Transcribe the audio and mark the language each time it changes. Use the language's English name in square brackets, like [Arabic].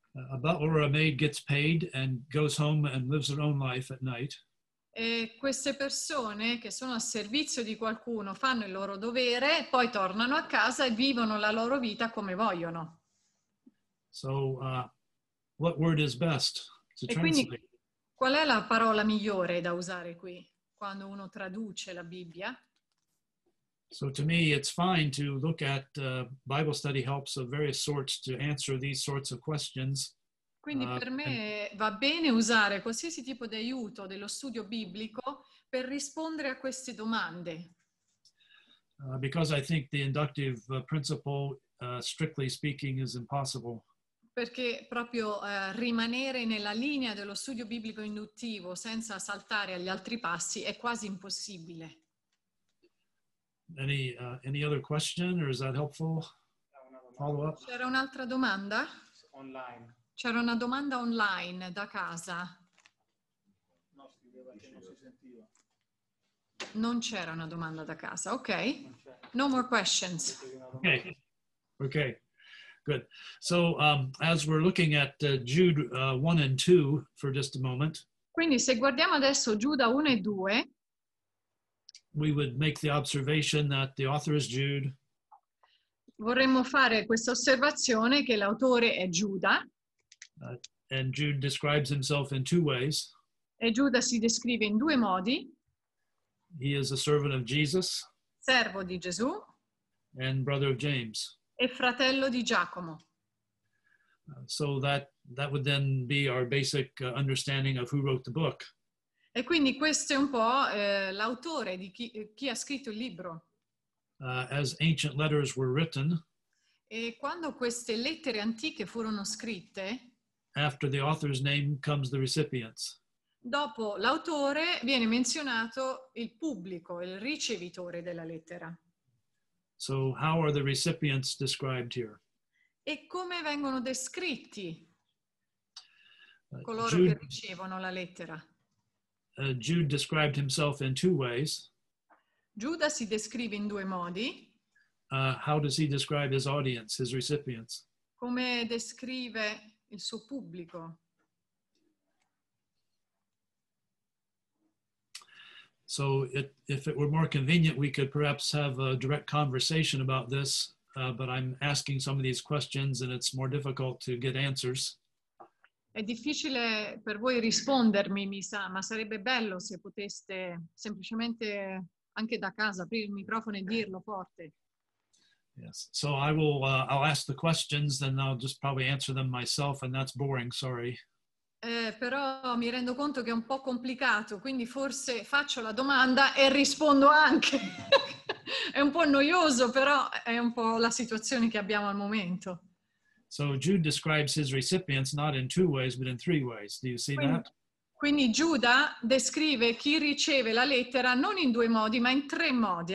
[English] A butler or a maid gets paid and goes home and lives their own life at night. [Italian] E queste persone che sono a servizio di qualcuno fanno il loro dovere e poi tornano a casa e vivono la loro vita come vogliono. [English] So, what word is best to translate? [Italian] E quindi, qual è la parola migliore da usare qui quando uno traduce la Bibbia? [English] So to me it's fine to look at Bible study helps of various sorts to answer these sorts of questions. [Italian] Quindi per me va bene usare qualsiasi tipo di aiuto dello studio biblico per rispondere a queste domande. [English] Because I think the inductive principle, strictly speaking, is impossible. [Italian] Perché proprio rimanere nella linea dello studio biblico induttivo senza saltare agli altri passi è quasi impossibile. [English] Any other question or is that helpful? Follow up. [Italian] C'era un'altra domanda? [English] Online. [Italian] C'era una domanda online da casa. No, scriveva che non si sentiva. Non c'era una domanda da casa. Ok. [English] No more questions. Okay. Okay. Good. So, as we're looking at Jude 1 and 2 for just a moment. [Italian] Quindi se guardiamo adesso Giuda 1 e 2, [English] we would make the observation that the author is Jude. [Italian] Vorremmo fare questa osservazione che l'autore è Giuda. [English] And Jude describes himself in two ways. [Italian] E Giuda si descrive in due modi. [English] He is a servant of Jesus. [Italian] Servo di Gesù. [English] And brother of James. [Italian] E fratello di Giacomo. [English] So that would then be our basic understanding of who wrote the book. [Italian] E quindi questo è un po' l'autore di chi ha scritto il libro. [English] As ancient letters were written. [Italian] E quando queste lettere antiche furono scritte. [English] After the author's name comes the recipients. [Italian] Dopo l'autore viene menzionato il pubblico, il ricevitore della lettera. [English] So how are the recipients described here? [Italian] E come vengono descritti coloro Jude, che ricevono la lettera? [English] Jude described himself in two ways. [Italian] Giuda si descrive in due modi. [English] How does he describe his audience, his recipients? [Italian] Come descrive il suo pubblico. [English] So if it were more convenient, we could perhaps have a direct conversation about this, but I'm asking some of these questions and it's more difficult to get answers. [Italian] È difficile per voi rispondermi, mi sa, ma sarebbe bello se poteste semplicemente anche da casa aprire il microfono e dirlo forte. [English] Yes. So I will I'll ask the questions then I'll just probably answer them myself and that's boring, sorry. [Italian] Però mi rendo conto che è un po' complicato, quindi forse faccio la domanda e rispondo anche. È un po' noioso, però è un po' la situazione che abbiamo al momento. [English] So Jude describes his recipients not in two ways but in three ways. Do you see [Italian] quindi, [English] that? [Italian] Quindi Giuda descrive chi riceve la lettera non in due modi, ma in tre modi.